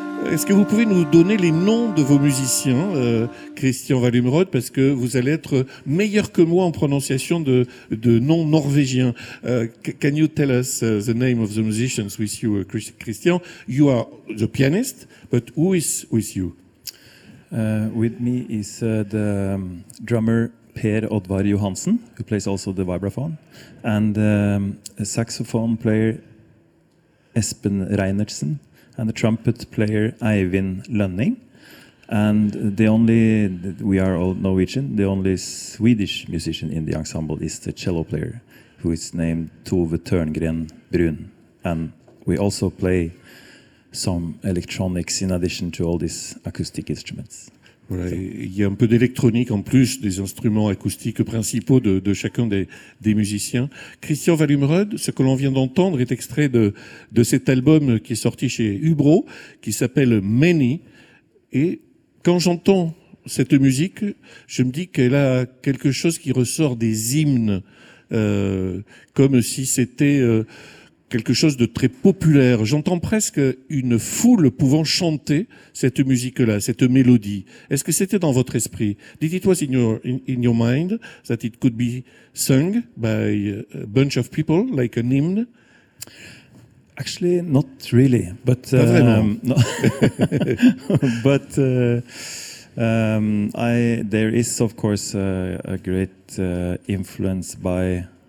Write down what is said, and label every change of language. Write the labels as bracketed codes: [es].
[fr] Est-ce que vous pouvez nous donner les noms de vos musiciens, Christian Vallemrod, parce que vous allez être meilleur que moi en prononciation de noms norvégiens. [en] Can you tell us the name of the musicians with you, Christian? You are the pianist, but who is with you? With me is the drummer Per Oddvar Johansen, who plays also the vibraphone, and a saxophone player Espen Reinertsen, and the trumpet player Eivind Lønning. And the only, we are all Norwegian, the only Swedish musician in the ensemble is the cello player, who is named Tove Törngren Brun. And we also play some electronics in addition to all these acoustic instruments. [fr] Voilà, il y a un peu d'électronique en plus des instruments acoustiques principaux de chacun des musiciens. Christian Vallemrod, ce que l'on vient d'entendre est extrait de cet album qui est sorti chez Hubro, qui s'appelle Many. Et quand j'entends cette musique, je me dis qu'elle a quelque chose qui ressort des hymnes, comme si c'était quelque chose de très populaire. J'entends presque une foule pouvant chanter cette musique-là, cette mélodie. Est-ce que c'était dans votre esprit? [en] Did it was in your mind that it could be sung by a bunch of people, like an hymn? Actually, not really. But, [fr] pas vraiment. [en] No. But there is, of course, a great influence by...